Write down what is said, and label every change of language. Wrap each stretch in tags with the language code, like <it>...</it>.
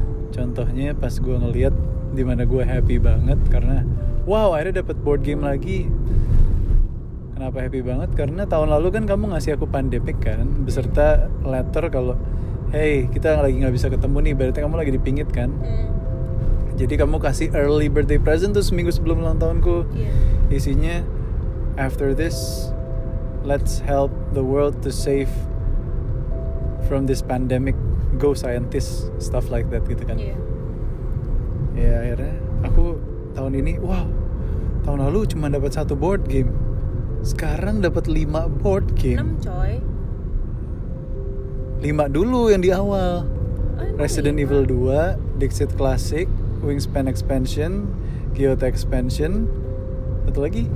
<id>Contohnya pas gue ngeliat di mana gue happy banget karena wow, akhirnya dapat board game lagi. Kenapa happy banget? Karena tahun lalu kan kamu ngasih aku Pandemic kan, beserta letter kalau hey, kita lagi gak bisa ketemu nih, berarti kamu lagi dipingit kan? Mm. Jadi kamu kasih</id> <en>early birthday present</en> <id>tuh seminggu sebelum ulang tahunku.</id> <en>Yeah.</en> <id>Isinya,</id> <en>after this, let's help the world to save from this pandemic. Go scientist, stuff like that</en> <id>gitu kan.</id> <en>Yeah.</en> <id>Ya akhirnya, aku tahun ini, wow, tahun lalu cuma dapat satu board game. Sekarang dapat 5 board game. 6 coy. 5 dulu yang di awal. Oh,</id> <en>Resident</en> <id>lima. Evil 2, Dixit Classic, Wingspan Expansion, Kyoto Expansion. Satu lagi?</id>